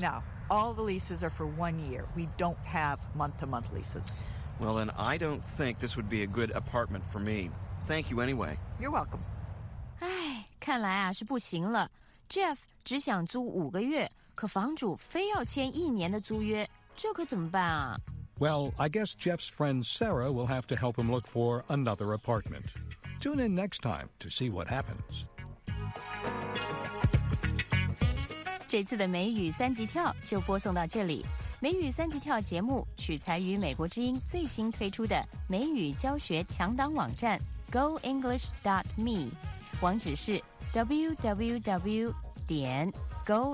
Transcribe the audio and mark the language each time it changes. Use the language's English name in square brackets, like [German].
[English] No, all the leases are for 1 year. We don't have month-to-month leases. Well, then I don't think this would be a good apartment for me. Thank you anyway. You're welcome. [Chinese] 哎，看来啊是不行了。 Jeff 只想租5个月，可房主非要签1年的租约，这可怎么办啊？ [English] Well, I guess Jeff's friend Sarah will have to help him look for another apartment. Tune in next time to see what happens. [Chinese] 这次的美语三级跳就播送到这里。美语三级跳节目取材于美国之音最新推出的美语教学强档网站 goenglish.me， 网址是 www.goenglish.me